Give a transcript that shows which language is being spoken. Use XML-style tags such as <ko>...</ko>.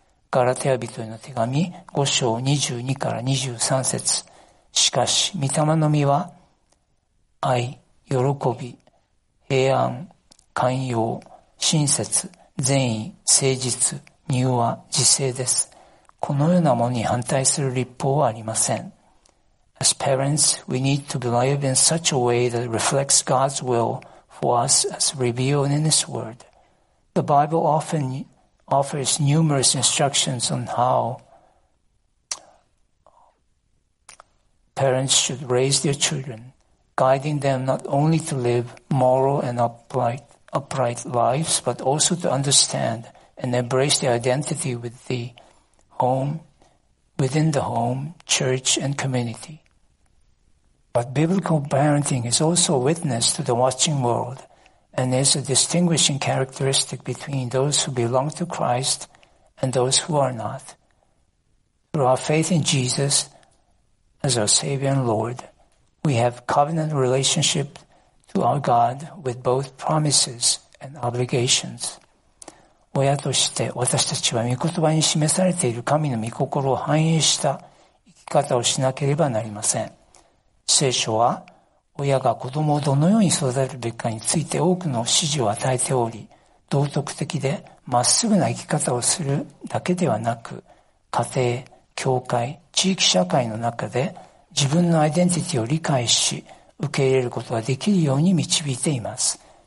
<ja>ガラテヤ人への手紙5章22から23節。しかし御霊の実は愛、喜び、平安、寛容、親切、善意、誠実、柔和、自制です。このようなものに反対する律法はありません。</ja> <en>As parents, we need to believe in such a way that reflects God's will for us as revealed in His Word. The Bible often offers numerous instructions on how parents should raise their children, guiding them not only to live moral and upright lives, but also to understand and embrace their identity with the home, within the home, church, and community. But biblical parenting is also a witness to the watching world and is a distinguishing characteristic between those who belong to Christ and those who are not. Through our faith in Jesus as our Savior and Lord, we have covenant relationship to our God with both promises and obligations.</en> <ja>親として私たちは御言葉に示されている神の御心を反映した生き方をしなければなりません。聖書は親が子供をどのように育てるべきかについて多くの指示を与えており、道徳的でまっすぐな生き方をするだけではなく、家庭、教会、地域社会の中で自分のアイデンティティを理解し受け入れることができるように導いています。</ja>